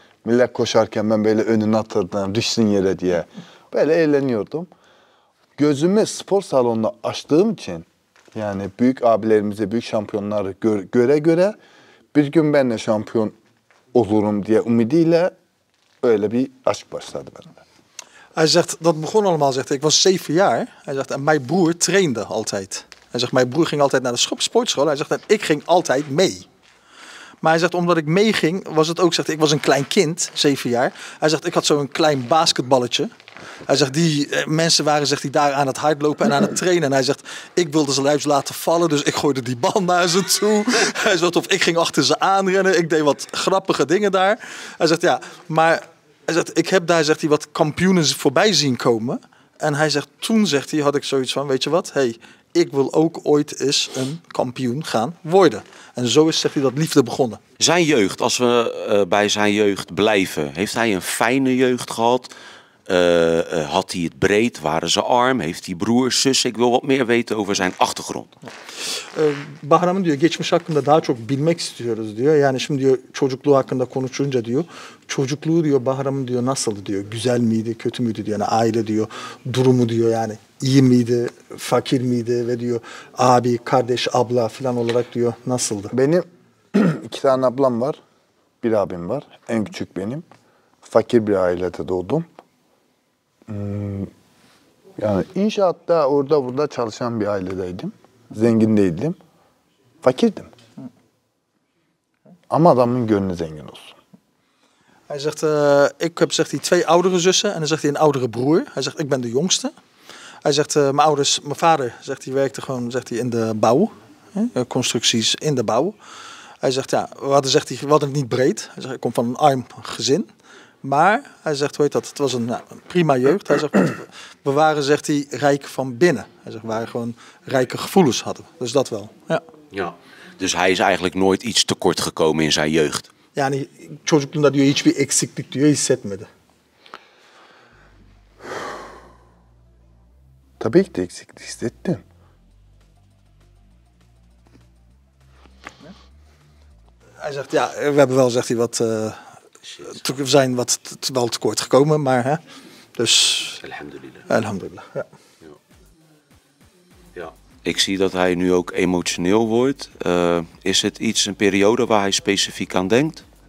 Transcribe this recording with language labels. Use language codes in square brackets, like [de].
[tr] Millet koşarken ben böyle önüne atırdım, düşsün yere diye. Böyle eğleniyordum. Gözümü spor salonunda açtığım için, yani büyük abilerimize, büyük şampiyonları göre göre bir gün ben de şampiyon olurum diye umidiyle öyle bir aşk başladı bende. [nl] Hij zegt, dat begon allemaal, zegt, ik was 7 jaar. Hij zegt, en mijn broer trainde altijd. Hij zegt, mijn broer ging altijd naar de sportschool. Hij zegt, en ik ging altijd mee. Maar hij zegt, omdat ik meeging, was het ook, zegt, ik was een klein kind, 7 jaar. Hij zegt, ik had zo'n klein basketballetje. Hij zegt, die mensen waren, zegt hij, daar aan het hardlopen en aan het trainen. En hij zegt, ik wilde ze juist laten vallen, dus ik gooide die bal naar ze toe. Hij zegt, of ik ging achter ze aanrennen, ik deed wat grappige dingen daar. Hij zegt, ja, maar hij zegt, ik heb daar, zegt hij, wat kampioenen voorbij zien komen. En hij zegt, toen, zegt hij, had ik zoiets van, weet je wat, hey, ik wil ook ooit eens een kampioen gaan worden. En zo is, zegt hij, dat liefde begonnen. Zijn jeugd, als we bij zijn jeugd blijven, heeft hij een fijne jeugd gehad? Had hij het breed? Waren ze arm? Heeft hij broers, zussen? Ik wil wat meer weten over zijn achtergrond. [tr] Bahram diyor, geçmiş hakkında daha çok bilmek istiyoruz diyor. Yani şimdi diyor, çocukluğu hakkında konuşunca diyor, çocukluğu diyor, Bahram diyor, nasıldı diyor, güzel miydi, kötü müydü diyor, yani aile diyor, durumu diyor yani, iyi miydi, fakir miydi ve diyor, abi, kardeş, abla falan olarak diyor, nasıldı? Benim iki tane ablam var, bir abim var. En küçük benim. Fakir bir ailede doğdum. Yani inşaatta orada burada çalışan bir ailedeydim. Zengin değildim. Fakirdim. Ama adamın gönlü zengin olsun. [nl] Hij zegt, ik heb zegt hij, twee oudere zussen en dan zegt hij een oudere broer. Hij zegt, ik ben de jongste. Hij zegt, mijn ouders, mijn vader, zegt hij, werkte gewoon, zegt hij, in de bouw. Constructies in de bouw. Hij zegt, ja, we hadden het niet breed. Hij zegt, ik kom van een arm gezin. Maar, hij zegt, hoe heet dat, het was een prima jeugd. Hij zegt, we waren, zegt hij, rijk van binnen. Hij zegt, we waren gewoon rijke gevoelens hadden. Dus dat wel, ja. Ja, dus hij is eigenlijk nooit iets tekort gekomen in zijn jeugd. [tr] Ja, en çocuk da diyor hiçbir eksiklik diyor hissetmedi. Tabii ki de eksiklik hissettim. [nl] Hij zegt ja, we hebben wel zegt hij wat we zijn wat wel tekort gekomen, maar hè. Dus alhamdulillah. Alhamdulillah. Ja. Ik zie dat hij nu ook emotioneel wordt. Is het iets een periode waar hij specifiek aan denkt?